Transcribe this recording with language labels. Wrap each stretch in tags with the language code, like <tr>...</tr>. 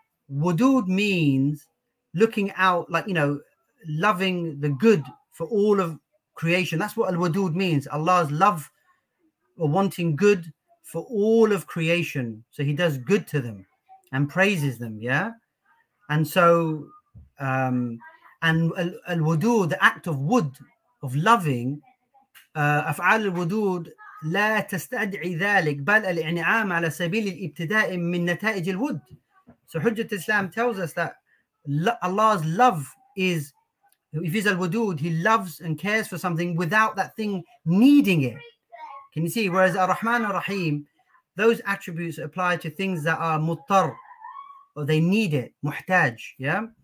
<en>Wudud means looking out, like, you know, loving the good for all of creation. That's what Al-Wudud means. Allah's love or wanting good for all of creation. So he does good to them and praises them, yeah? And so, and Al-Wudud, the act of wud, of loving,</en> <ar>أفعال الودود لا تستدعي ذلك بل الإنعام على سبيل الابتداء من نتائج الود.</ar> <en>So Hujjat Islam tells us that Allah's love is, if he's al-wudud, he loves and cares for something without that thing needing it. Can you see? Whereas ar-Rahman ar-Rahim, those attributes apply to things that are muttar, or they need it, muhtaj, yeah?</en>